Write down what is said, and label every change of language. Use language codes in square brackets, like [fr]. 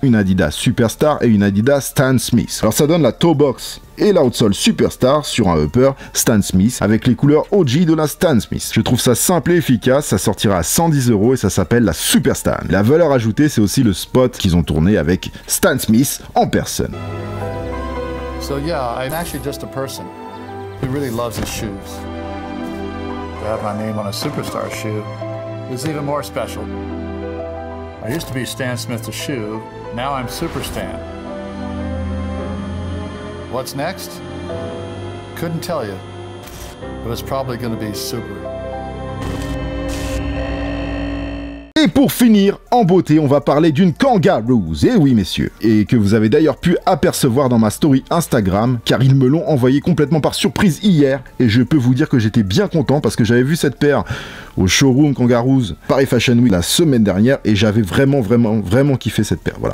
[fr] Une Adidas Superstar et une Adidas Stan Smith. Alors ça donne la toe box et l'outsole Superstar sur un upper Stan Smith avec les couleurs OG de la Stan Smith. Je trouve ça simple et efficace, ça sortira à 110€ et ça s'appelle la Superstar. La valeur ajoutée, c'est aussi le spot qu'ils ont tourné avec Stan Smith en personne. [en] So yeah, I'm actually just a person who really loves his shoes. To have my name on a Superstar shoe is even more special. I used to be Stan Smith the shoe, now I'm Super Stan. What's next? Couldn't tell you, but it's probably gonna be super. [fr] Et pour finir, en beauté, on va parler d'une Kangaroos, eh oui messieurs, et que vous avez d'ailleurs pu apercevoir dans ma story Instagram, car ils me l'ont envoyé complètement par surprise hier, et je peux vous dire que j'étais bien content parce que j'avais vu cette paire au showroom Kangaroos Paris Fashion Week la semaine dernière et j'avais vraiment kiffé cette paire. Voilà.